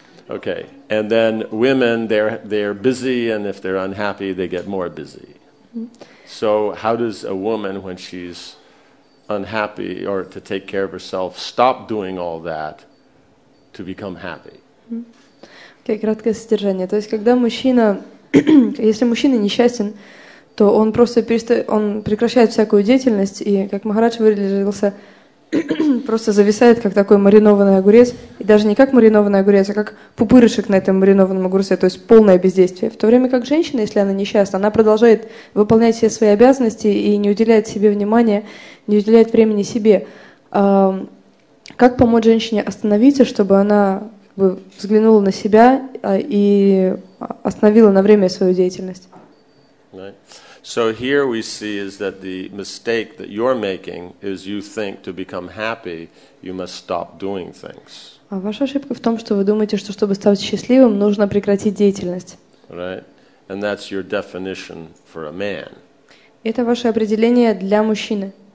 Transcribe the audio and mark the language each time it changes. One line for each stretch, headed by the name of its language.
English: Okay, and then women, they're busy, and if they're unhappy, they get more busy. So how does a woman, when she's unhappy or to take care of herself, stop doing all that to become happy?
Russian: Okay, краткое содержание. То есть, когда мужчина, если мужчина несчастен, то он просто он прекращает всякую деятельность и, как Махарадж выразился, просто зависает, как такой маринованный огурец, и даже не как маринованный огурец, а как пупырышек на этом маринованном огурце, то есть полное бездействие. В то время как женщина, если она несчастна, она продолжает выполнять все свои обязанности и не уделяет себе внимания, не уделяет времени себе. Как помочь женщине остановиться, чтобы она как бы взглянула на себя и остановила на время свою деятельность?
English: So here we see is that the mistake that you're making is you think to become happy you must stop doing things.
Russian: А ваша ошибка в том, что вы думаете, что чтобы стать счастливым, нужно прекратить деятельность.
English: Right. And that's your definition for a man.
Russian: Это ваше определение для мужчины.